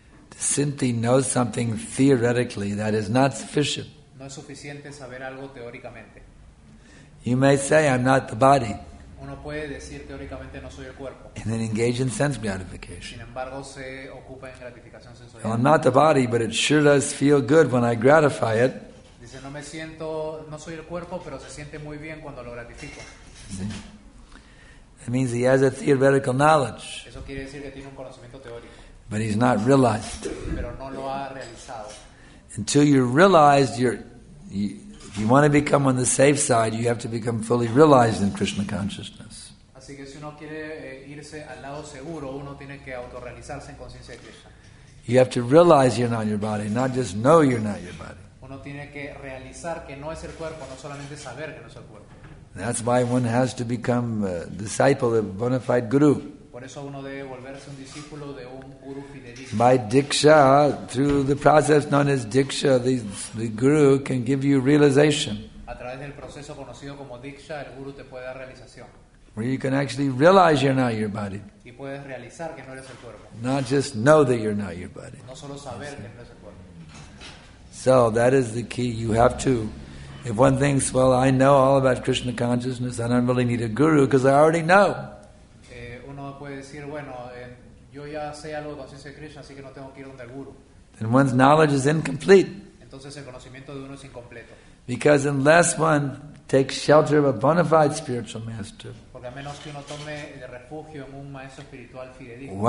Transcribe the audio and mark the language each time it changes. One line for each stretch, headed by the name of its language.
English: To simply know something theoretically, that is not sufficient.
Spanish: No es suficiente saber algo teóricamente.
English: You may say, I'm not the body.
Spanish: Uno puede decir teóricamente no soy el cuerpo.
English: And then engage in sense gratification.
Spanish: Sin embargo, se ocupa en gratificación sensorial.
English: Well, I'm not the body, but it sure does feel good when I gratify it.
Spanish: Dice, no me siento, no soy el cuerpo, pero se siente muy bien cuando lo gratifico.
English: Mm-hmm. That means he has a theoretical knowledge.
Spanish: Eso quiere decir que tiene un conocimiento teórico.
English: But he's not realized.
Spanish: Pero no lo ha realizado.
English: Until you're realized, if you want to become on the safe side, you have to become fully realized in Krishna consciousness.
Spanish: Así que si uno quiere irse al lado seguro, uno tiene que autorrealizarse en conciencia de Krishna.
English: You have to realize you're not your body, not just know you're not your body.
Spanish: Uno tiene que realizar que no es el cuerpo, no solamente saber que no es el cuerpo.
English: That's why one has to become a disciple of a bona fide guru.
Spanish: Por eso uno debe volverse un discípulo de un guru fidedigno.
English: By diksha, through the process known as diksha, the guru can give you realization.
Spanish: A través del proceso conocido como Diksha, el Guru te puede dar realización.
English: Where you can actually realize you're not your body.
Spanish: Y puedes realizar que no eres el cuerpo.
English: Not just know that you're not your body.
Spanish: No solo saber que no eres el cuerpo.
English: So that is the key. You have to. If one thinks, well, I know all about Krishna consciousness, I don't really need a guru because I already know.
Spanish: Uno puede decir, bueno, yo ya sé algo de conciencia de Krishna, así que no tengo que ir donde el guru.
English: Then one's knowledge is incomplete.
Spanish: Entonces el conocimiento de uno es incompleto.
English: Because unless one takes shelter of a bona fide spiritual master,
Spanish: porque a menos que uno tome de refugio en un maestro espiritual fidedigno,